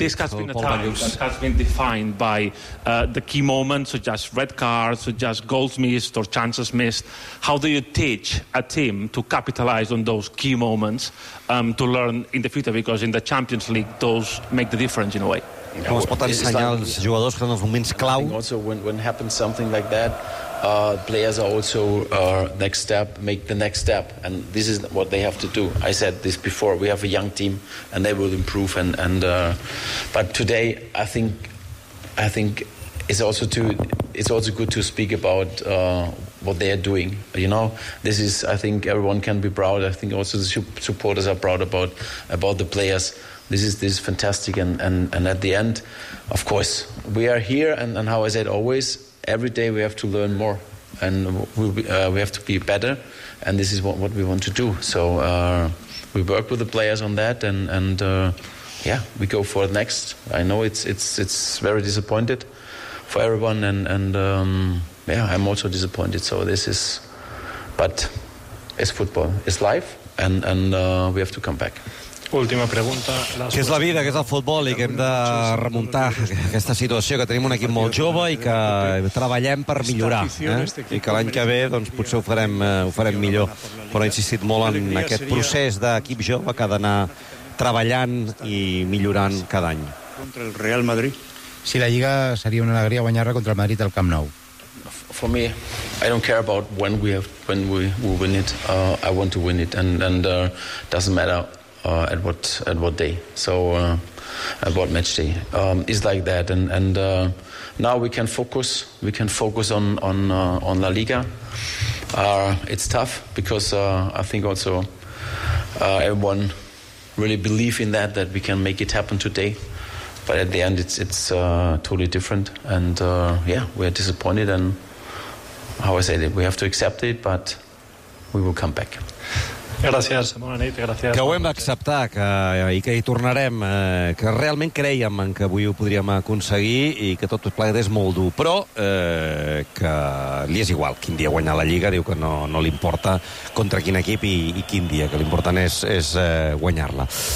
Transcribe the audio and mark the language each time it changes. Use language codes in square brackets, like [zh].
[en] This has been a time that has been defined by the key moments, such as red cards, such as goals missed or chances missed. How do you teach a team to capitalize on those key moments to learn in the future? Because in the Champions League, those make the difference in a way. [ca] Com es pot ensenyar als jugadors que en els moments clau... [en] Also, when happens something like that, players are also next step, make the next step, and this is what they have to do. I said this before, we have a young team and they will improve, but today I think it's also good to speak about what they are doing. You know, this is, I think everyone can be proud. I think also the supporters are proud about the players. This is fantastic, and at the end, of course, we are here, and how I said always, every day we have to learn more, and we have to be better, and this is what we want to do. So we work with the players on that, and we go for the next. I know it's very disappointed for everyone, and I'm also disappointed. So this is, but it's football, it's life, and we have to come back. [ca] Última pregunta. Què és la vida, què és el futbol i que hem de remuntar aquesta situació, que tenim un equip molt jove i que treballem per millorar, eh? I que l'any que ve doncs, potser ho farem millor. Però he insistit molt en aquest procés d'equip jove que ha d'anar treballant i millorant cada any. Contra el Real Madrid. Si la Lliga seria una alegria guanyar-la contra el Madrid al Camp Nou. [en] For me, I don't care about when we win it. I want to win it and doesn't matter at what day. So at what match day. It's like that and now we can focus on La Liga. It's tough because I think also everyone really believe in that we can make it happen today. But at the end it's totally different and we're disappointed and how I say it, we have to accept it, but we will come back. [ca] Gràcies, bona nit, gràcies. Que ho hem acceptat que hi tornarem, que realment creiem en que avui ho podríem aconseguir i que tot plegat és molt dur, però que li és igual quin dia guanyar la Lliga, diu que no li importa contra quin equip i quin dia, que l'important és guanyar-la.